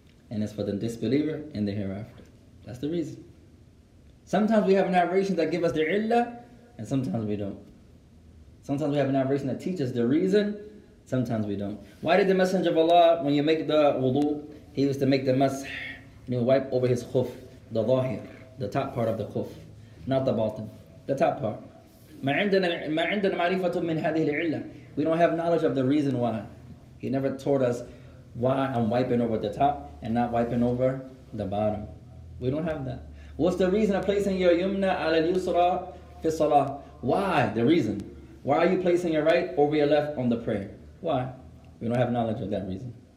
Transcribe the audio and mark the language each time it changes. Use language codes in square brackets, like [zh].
[en] And it's for the disbeliever in the hereafter. That's the reason. Sometimes we have narrations that give us the illah, and sometimes we don't. Sometimes we have an narration that teaches the reason, sometimes we don't. Why did the Messenger of Allah, when you make the wudu, he used to make the mas'h, and he would wipe over his khuf, the zahir, the top part of the khuf, not the bottom, the top part. [ar] ما عندنا معرفة من هذه العلة. [en] We don't have knowledge of the reason why. He never taught us why I'm wiping over the top and not wiping over the bottom. We don't have that. What's the reason of placing your [ar] yumna ala al-yusra fi salah? [en] Why? The reason. Why are you placing your right over your left on the prayer? Why? We don't have knowledge of that reason.